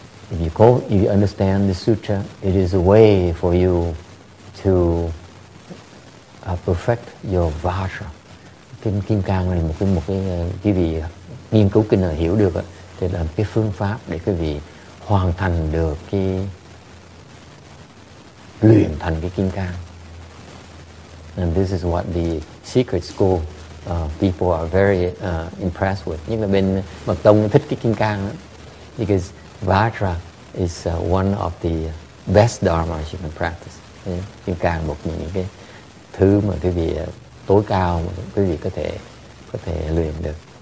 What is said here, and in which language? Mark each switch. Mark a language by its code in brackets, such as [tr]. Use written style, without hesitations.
[en] If you understand the sutra, it is a way for you to perfect your vajra. [vi] Kim Cang là một cái vị nghiên cứu kinh này hiểu được thì là cái phương pháp để cái vị hoàn thành được cái luyện thành cái Kim Cang. [en] And this is what the secret school people are very impressed with. [vi] Nhưng mà bên Mật Tông thích cái Kim Cang đó. [en] Because Vajra is one of the best dharmas you can practice. [vi] Kim Cang một những cái thứ mà quý vị tối cao mà quý vị có thể luyện được.